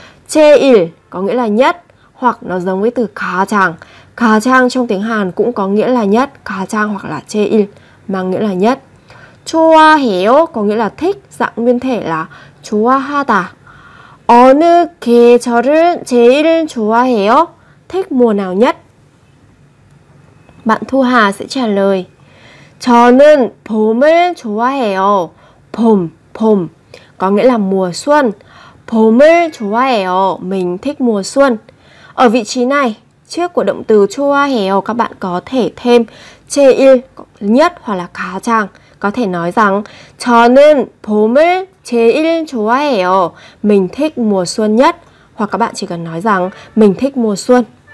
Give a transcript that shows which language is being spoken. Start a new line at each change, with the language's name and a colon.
Korean: 제일
Vietnamese: có nghĩa là nhất, hoặc nó giống với từ
Korean: 가장.
Vietnamese: 가장 trong tiếng Hàn cũng có nghĩa là nhất, 가장 hoặc là
Korean: 제일
Vietnamese: mang nghĩa là nhất.
Korean: 좋아해요
Vietnamese: có nghĩa là thích, dạng nguyên thể là
Korean: 좋아하다. 어느 계절을 제일 좋아해요?
Vietnamese: Thích mùa nào nhất? Bạn Thu Hà sẽ trả lời.
Korean: 저는 봄을 좋아해요. 봄, 봄
Vietnamese: có nghĩa là mùa xuân.
Korean: 봄을 좋아해요.
Vietnamese: Mình thích mùa xuân. Ở vị trí này, trước của động từ
Korean: 좋아해요
Vietnamese: các bạn có thể thêm
Korean: 제일
Vietnamese: nhất hoặc là
Korean: 가장.
Vietnamese: Có thể nói rằng
Korean: 저는 봄을 제일 좋아해요.
Vietnamese: Mình thích mùa xuân nhất. Hoặc các bạn chỉ cần nói rằng mình thích mùa xuân.